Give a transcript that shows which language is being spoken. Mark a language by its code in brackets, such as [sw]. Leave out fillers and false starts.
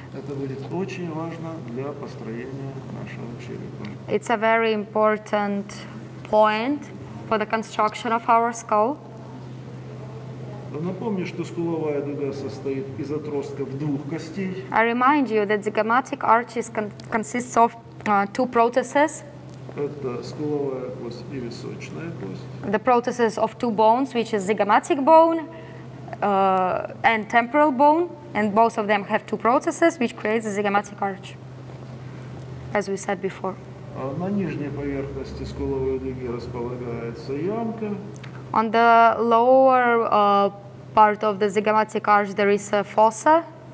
[ru] Это будет очень важно для построения нашего черепа. [en] It's a very important point for the construction of our skull. [ru] Напомню, что скуловая дуга состоит из отростков двух костей. [en] I remind you that zygomatic arches consists of two processes. [ru] Это скуловая кость и височная кость. [en] The processes of two bones, which is zygomatic bone and temporal bone, and both of them have two processes, which creates a zygomatic arch, as we said before. [ru] На нижней поверхности скуловой дуги располагается ямка. [en] On the lower part of the zygomatic arch, there is a fossa.